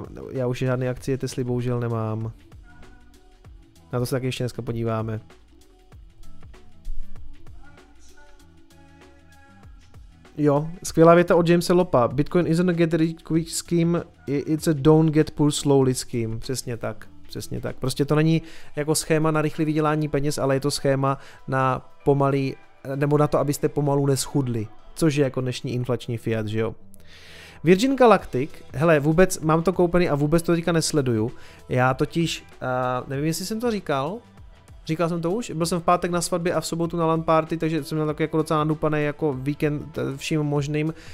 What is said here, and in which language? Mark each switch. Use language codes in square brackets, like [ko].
[cs] já už žádné akcie Tesly bohužel nemám. Na to se taky ještě dneska podíváme. Jo, skvělá věta od Jamesa Lopa. [en] Bitcoin isn't a get rich quick scheme, it's a don't get poor slowly scheme. [cs] Přesně tak. Prostě to není jako schéma na rychlé vydělání peněz, ale je to schéma na pomalý, nebo na to, abyste pomalu neschudli. Což je jako dnešní inflační fiat, že jo. Virgin Galactic, hele, vůbec mám to koupený a vůbec to teďka nesleduju. Já totiž, nevím, jestli jsem to říkal. Říkal jsem to už, byl jsem v pátek na svatbě a v sobotu na LAN party, takže jsem měl taky jako docela nadupaný jako víkend vším možným.